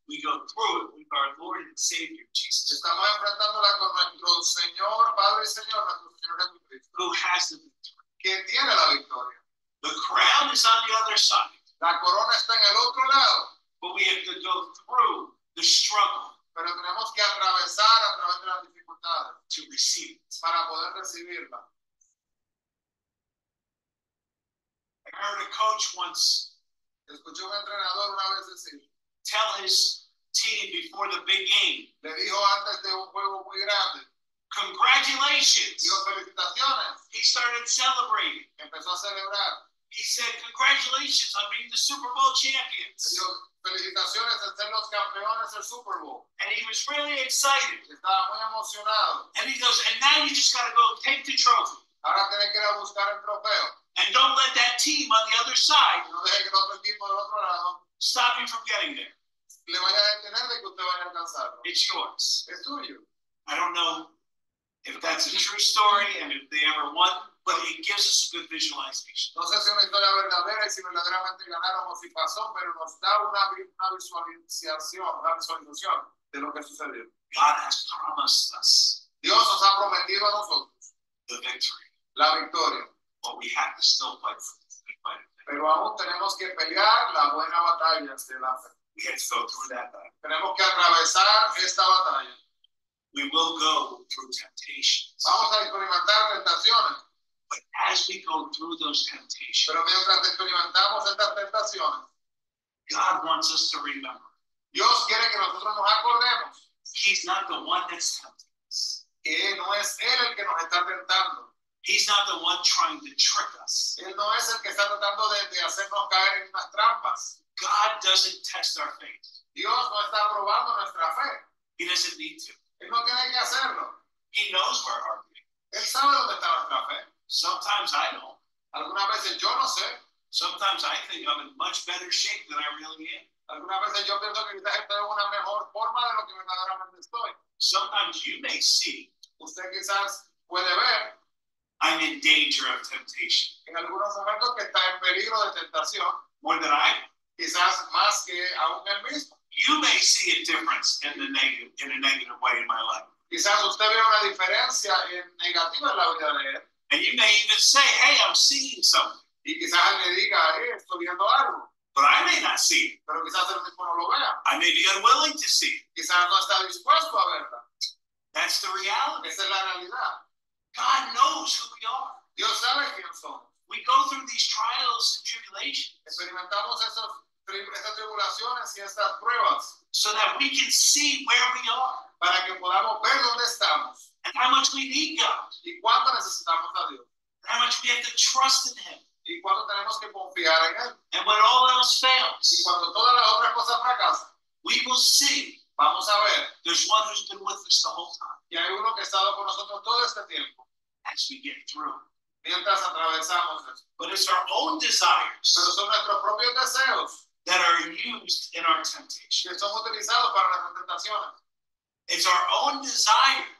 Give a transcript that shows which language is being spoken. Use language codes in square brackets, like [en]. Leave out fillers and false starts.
[en] We go through it with our Lord and Savior Jesus. [es] Estamos enfrentándola con nuestro Señor, Padre y Señor, nuestro Señor Jesucristo. [en] Who has the victory? [es] Que tiene la victoria. [en] The crown is on the other side. [es] La corona está en el otro lado. [en] But we have to go through the struggle. [es] Pero tenemos que atravesar a través de las dificultades. [en] To receive it. [es] Para poder recibirla. [en] I heard a coach once. [es] Escuchó un entrenador una vez decir, [en] tell his team before the big game. [es] Le dijo antes de un juego muy grande. [en] Congratulations. [es] Dijo felicitaciones. [en] He started celebrating. [es] Empezó a celebrar. [en] He said, congratulations on being the Super Bowl champions. [es] Le dijo felicitaciones de ser los campeones del Super Bowl. [en] And he was really excited. [es] Estaba muy emocionado. [en] And he goes, and now you just gotta go take the trophy. [es] Ahora tiene que ir a buscar el trofeo. [en] And don't let that team on the other side. [es] No deje que el otro equipo del otro lado. [en] Stop you from getting there. [es] Le vaya a detener de que usted vaya a alcanzarlo. [en] It's yours. [es] Es tuyo. [en] I don't know if that's a true story and if they ever won, but it gives us a good visualization. [es] No sé si es una historia verdadera y si verdaderamente ganaron o si pasó, pero nos da una visualización de lo que sucedió. [en] God has promised us. [es] Dios nos ha prometido a nosotros. [en] The victory. [es] La victoria. [en] But we have to still fight for it. [es] Pero aún tenemos que pelear la buena batalla de la fe. [en] Yes, go through that battle. [es] Tenemos que atravesar esta batalla. [en] We will go through temptations. [es] Vamos a experimentar tentaciones. [en] But as we go through those temptations, [es] pero mientras experimentamos estas tentaciones, [en] God wants us to remember. [es] Dios quiere que nosotros nos acordemos. [en] He's not the one that's tempting us. [es] Que no es Él el que nos está tentando. [en] He's not the one trying to trick us. [es] Él no es el que está tratando de hacernos caer en unas trampas. [en] God doesn't test our faith. [es] Dios no está probando nuestra fe. [en] He doesn't need to. [es] Él no tiene que hacerlo. [en] He knows where our faith is. [es] Él sabe dónde está nuestra fe. [en] Sometimes I don't. [es] Algunas veces yo no sé. [en] Sometimes I think I'm in much better shape than I really am. [es] Algunas veces yo pienso que quizás estoy en una mejor forma de lo que verdaderamente estoy. [en] Sometimes you may see. [es] Usted quizás puede ver. [en] I'm in danger of temptation. [es] En algunos momentos que está en peligro de tentación. [en] More than I [es] quizás más que aún él mismo. [en] You may see a difference in the negative, in a negative way in my life. [es] Quizás usted ve una diferencia en negativa en la vida de él. [en] And you may even say, hey, I'm seeing something. [es] Y quizás le diga, hey, estoy viendo algo. [en] But I may not see it. [es] Pero quizás él mismo no lo vea. [en] I may be unwilling to see it. [es] Quizás no está dispuesto a verla. [en] That's the reality. [es] Esa es la realidad. [en] God knows who we are. [es] Dios sabe quién somos. [en] We go through these trials and tribulations. [es] Experimentamos estas tribulaciones y estas pruebas. [en] So that we can see where we are. [es] Para que podamos ver dónde estamos. [en] And how much we need God. [es] Y cuánto necesitamos a Dios. [en] And how much we have to trust in Him. [es] Y cuánto tenemos que confiar en Él. [en] And when all else fails. [es] Y cuando todas las otras cosas fracasan. [en] We will see. [es] Vamos a ver. [en] There's one who's been with us the whole time. [es] Y hay uno que ha estado con nosotros todo este tiempo. [en] As we get through. [es] Mientras atravesamos esto. [en] But it's our own desires. [es] Pero son nuestros propios deseos. [en] That are used in our temptation. [es] Que son utilizados para nuestras tentaciones. [en] It's our own desires.